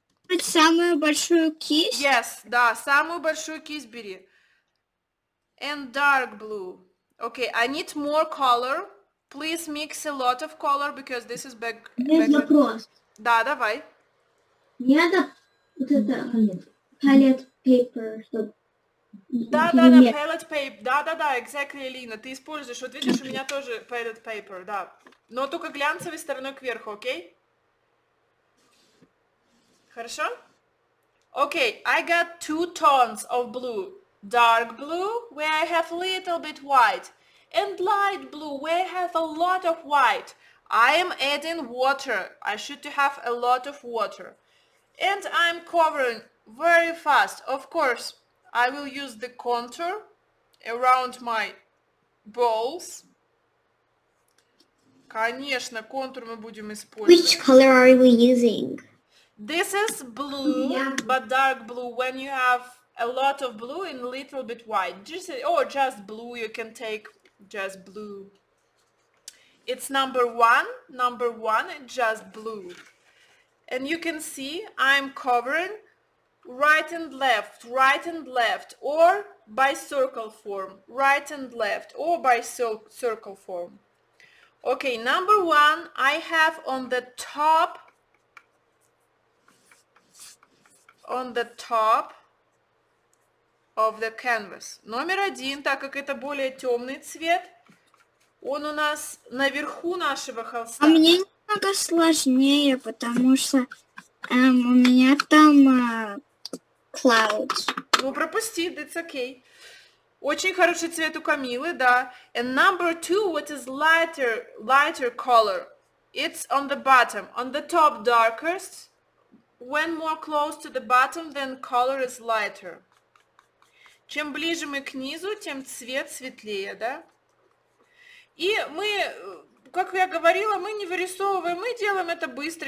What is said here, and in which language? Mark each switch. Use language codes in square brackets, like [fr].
[ru] Вот самую большую кисть. [en] Yes, [ru] да, самую большую кисть бери. [en] And dark blue. Okay, I need more color. Please mix a lot of color because this is back. [ru] Есть вопрос. Да, давай. Не надо вот это palette paper, чтобы. Да, palette paper. Да, да, да, [en] exactly, [ru] Алина. Ты используешь. Вот видишь, у меня тоже palette paper, да. Но только глянцевой стороной кверху, окей? Хорошо? [en] Okay, I got two tones of blue. Dark blue, where I have a little bit white. And light blue, where I have a lot of white. I am adding water. I should have a lot of water. And I'm covering very fast. Of course, I will use the contour around my balls. [ru] Конечно, контур мы будем использовать. [en] Which color are we using? This is blue, yeah. But dark blue. When you have a lot of blue and a little bit white, just blue, you can take just blue. It's number one, just blue. And you can see I'm covering right and left, or by circle form, right and left, or by circle form. Okay, number one, I have on the top of the canvas. [ru] Номер один, так как это более темный цвет, он у нас наверху нашего холста. А мне немного сложнее, потому что у меня там clouds. Ну пропусти, [en] that's okay. [ru] Очень хороший цвет у Камилы, да. [en] And number two, what is lighter color? It's on the bottom. On the top, darkest. When more close to the bottom, then color is lighter. [ru] Чем ближе мы к низу, тем цвет светлее, да? И мы, как я говорила, мы не вырисовываем, мы делаем это быстро.